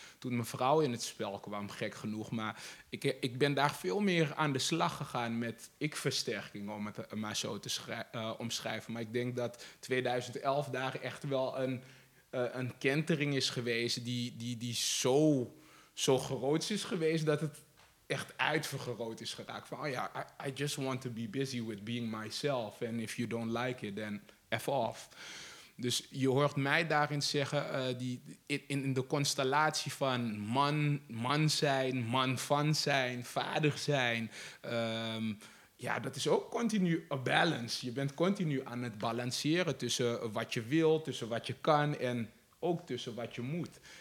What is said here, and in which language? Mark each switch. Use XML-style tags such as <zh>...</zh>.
<nl>toen mijn vrouw in het spel kwam, gek genoeg. Maar ik ben daar veel meer aan de slag gegaan met ik-versterking, om het maar zo te omschrijven. Maar ik denk dat 2011 daar echt wel een kentering is geweest die zo groot is geweest dat het echt uitvergroot is geraakt. Van, oh ja,</nl> <en>I just want to be busy with being myself. And if you don't like it, then F off.</en> <nl>Dus je hoort mij daarin zeggen, in de constellatie van man zijn, man van zijn, vader zijn. Ja, dat is ook continu a balance. Je bent continu aan het balanceren tussen wat je wil, tussen wat je kan en ook tussen wat je moet.</nl>